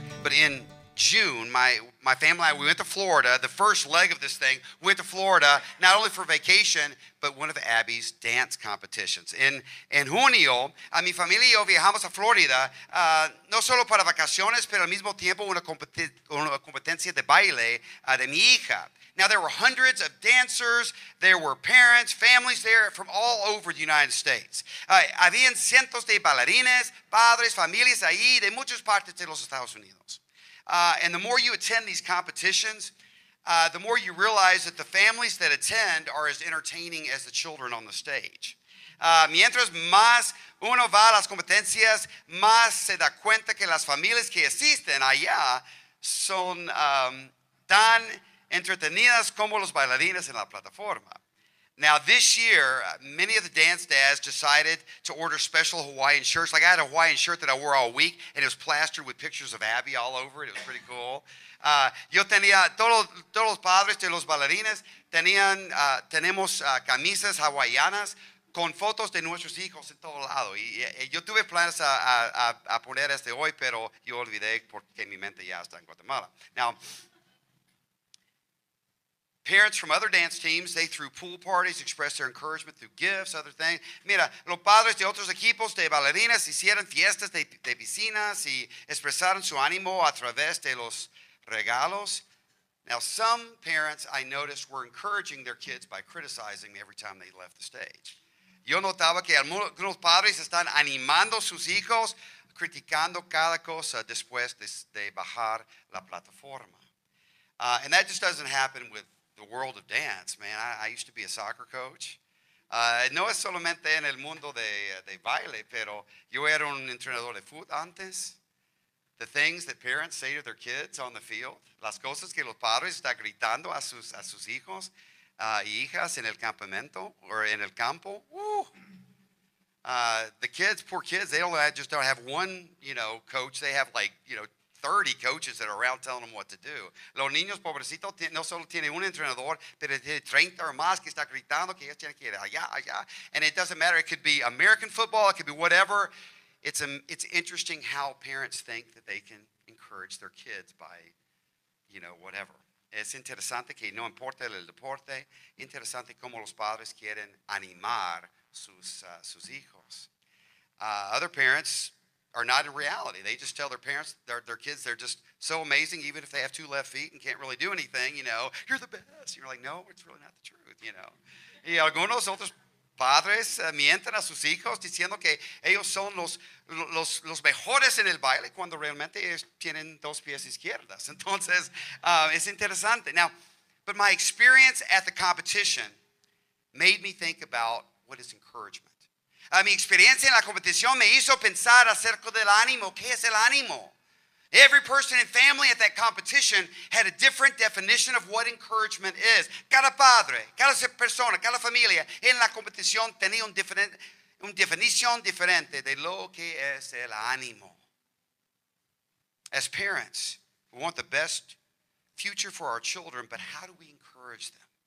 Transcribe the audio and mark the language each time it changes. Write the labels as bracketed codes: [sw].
[en] But in June, my family and I, we went to Florida, the first leg of this thing, we went to Florida, not only for vacation, but one of Abby's dance competitions. [es] En junio, a mi familia y yo viajamos a Florida, no solo para vacaciones, pero al mismo tiempo una competencia de baile de mi hija. [en] Now, there were hundreds of dancers, there were parents, families there from all over the United States. [es] Habían cientos de bailarines, padres, familias ahí de muchas partes de los Estados Unidos. [en] And the more you attend these competitions, the more you realize that the families that attend are as entertaining as the children on the stage. [es] Mientras más uno va a las competencias, más se da cuenta que las familias que asisten allá son tan entretenidas como los bailarines en la plataforma. [en] Now, this year, many of the dance dads decided to order special Hawaiian shirts. Like, I had a Hawaiian shirt that I wore all week, and it was plastered with pictures of Abby all over it. It was pretty cool. [es] Yo tenía, todos los padres de los bailarines tenían, tenemos camisas hawaianas con fotos de nuestros hijos en todo lado. Y yo tuve planes a poner este hoy, pero yo olvidé porque mi mente ya está en Guatemala. [en] Now, parents from other dance teams, they threw pool parties, expressed their encouragement through gifts, other things. [es] Mira, los padres de otros equipos de bailarinas hicieron fiestas de piscinas y expresaron su ánimo a través de los regalos. [en] Now, some parents I noticed were encouraging their kids by criticizing every time they left the stage. [es] Yo notaba que algunos padres están animando sus hijos, criticando cada cosa después de bajar la plataforma. [en] And that just doesn't happen with the world of dance, man. I used to be a soccer coach. [es] No es solamente en el mundo de baile, pero yo era un entrenador de fútbol antes. [en] The things that parents say to their kids on the field, [es] las cosas que los padres están gritando a sus hijos y hijas en el campamento or en el campo. Woo! [en] The kids, poor kids, they just don't have one, you know, coach. They have like, you know, 30 coaches that are around telling them what to do. [es] Los niños pobrecitos no solo tienen un entrenador, pero tiene 30 o más que está gritando que ellos tienen que ir allá, allá. [en] And it doesn't matter. It could be American football. It could be whatever. It's interesting how parents think that they can encourage their kids by, you know, whatever. [es] Es interesante que no importa el deporte, interesante cómo los padres quieren animar sus hijos. [en] Other parents are not in reality. They just tell their parents, their kids, they're just so amazing, even if they have two left feet and can't really do anything, you know, you're the best. You're like, no, it's really not the truth, you know. [es] Y algunos otros padres mienten a sus hijos diciendo que ellos son los mejores en el baile cuando realmente ellos tienen dos pies izquierdas. Entonces, es interesante. [en] Now, but my experience at the competition made me think about what is encouragement. [es] Mi experiencia en la competición me hizo pensar acerca del ánimo. ¿Qué es el ánimo? [en] Every person and family at that competition had a different definition of what encouragement is. Cada padre, cada persona, cada familia en la competición tenía una definición diferente de lo que es el ánimo. As parents, we want the best future for our children, but how do we encourage them?